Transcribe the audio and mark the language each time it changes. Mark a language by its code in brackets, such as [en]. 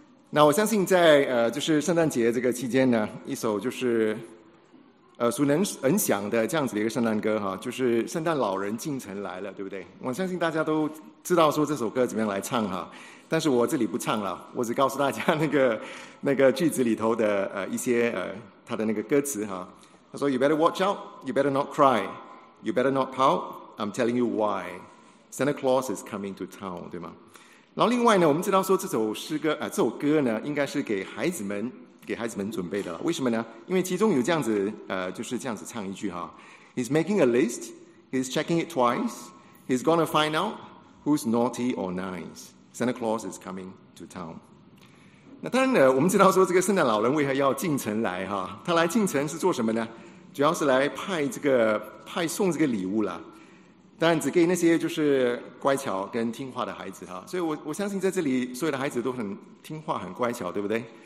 [zh] 那我相信在就是圣诞节这个期间呢，一首就是熟能很响的这样子的一个圣诞歌哈，就是圣诞老人进城来了，对不对？我相信大家都知道说这首歌怎么样来唱哈，但是我这里不唱了，我只告诉大家那个句子里头的一些他的那个歌词哈。他说 [en] You better watch out, you better not cry, you better not pout, I'm telling you why, Santa Claus is coming to town, [zh] 对吗？然后另外呢，我们知道说这首诗歌这首歌呢应该是给孩子们准备的了。为什么呢？因为其中有这样子就是这样子唱一句哈。 [en] He's making a list, he's checking it twice, he's gonna find out who's naughty or nice. Santa Claus is coming to town. [zh] 那当然呢，我们知道说这个圣诞老人为何要进城来哈，他来进城是做什么呢？主要是来派送这个礼物啦。当然只给那些就是乖巧跟听话的孩子哈，所以我相信在这里所有的孩子都很听话很乖巧，对不对？